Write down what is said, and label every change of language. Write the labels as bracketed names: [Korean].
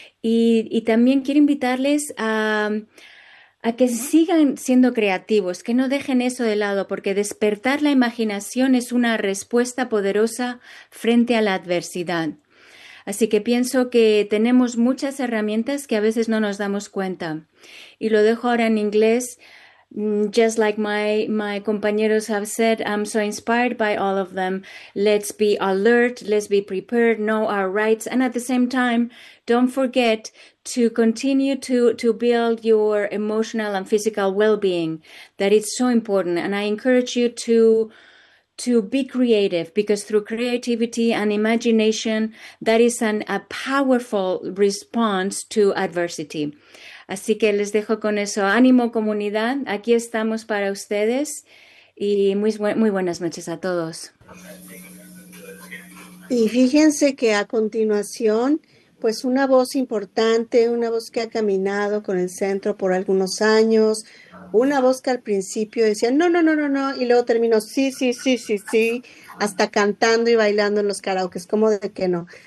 [Spanish] Y también quiero invitarles a que sigan siendo creativos, que no dejen eso de lado, porque despertar la imaginación es una respuesta poderosa frente a la adversidad. Así que pienso que tenemos muchas herramientas que a veces no nos damos cuenta. Y lo dejo ahora en inglés. [English] Just like my compañeros have said, I'm so inspired by all of them. Let's be alert, let's be prepared, know our rights. And at the same time, don't forget to continue to build your emotional and physical well-being. That is so important. And I encourage you to be creative, because through creativity and imagination, that is a powerful response to adversity. [Spanish] Así que les dejo con eso. Ánimo, comunidad. Aquí estamos para ustedes. Y muy buenas noches a todos. Y fíjense que a continuación, pues una voz importante, una voz que ha caminado con el centro por algunos años, una voz que al principio decía no, no, no, no, no, y luego terminó sí, sí, sí, sí, sí, hasta cantando y bailando en los karaokes, ¿cómo de que no?